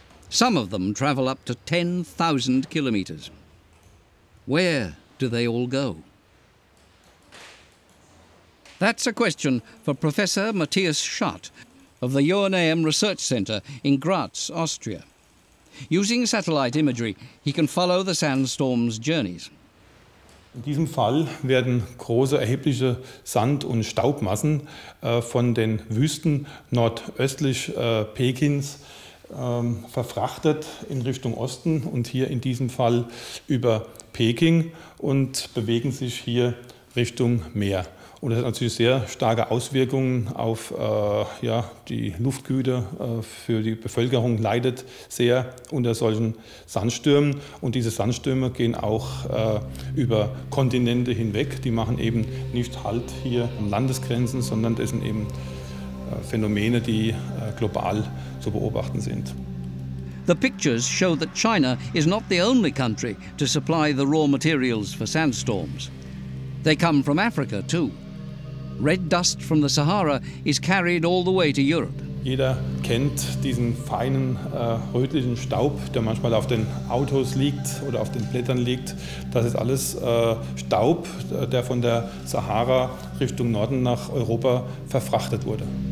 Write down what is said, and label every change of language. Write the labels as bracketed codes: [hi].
[en] Some of them travel up to 10,000 kilometers. Where do they all go? That's a question for Professor Matthias Schott of the Joanneum Research Center in Graz, Austria. Using satellite imagery, he can follow the sandstorm's journeys. [de] In diesem Fall werden große erhebliche Sand- und Staubmassen von den Wüsten nordöstlich Pekins verfrachtet in Richtung Osten und hier in diesem Fall über Peking und bewegen sich hier Richtung Meer. Und das hat natürlich sehr starke Auswirkungen auf die Luftgüte für die Bevölkerung, leidet sehr unter solchen Sandstürmen. Und diese Sandstürme gehen auch über Kontinente hinweg. Die machen eben nicht Halt hier an Landesgrenzen, sondern das sind eben Phänomene, die global zu beobachten sind. [en] The pictures show that China is not the only country to supply the raw materials for sandstorms. They come from Africa too. Red dust from the Sahara is carried all the way to Europe. [de] Jeder kennt diesen feinen rötlichen Staub, der manchmal auf den Autos liegt oder auf den Blättern liegt. Das ist alles Staub, der von der Sahara Richtung Norden nach Europa verfrachtet wurde.